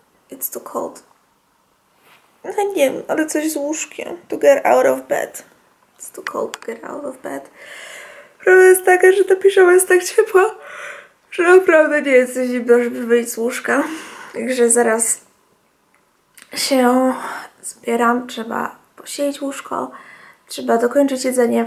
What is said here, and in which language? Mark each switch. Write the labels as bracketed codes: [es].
[en] It's too cold. [pl] No nie wiem, ale coś z łóżkiem. [en] To get out of bed. It's too cold to get out of bed. [pl] Prawda jest taka, że ta piżama jest tak ciepła, że naprawdę nie jest zimno, żeby wyjść z łóżka. Także zaraz się zbieram. Trzeba posilić łóżko. Trzeba dokończyć jedzenie.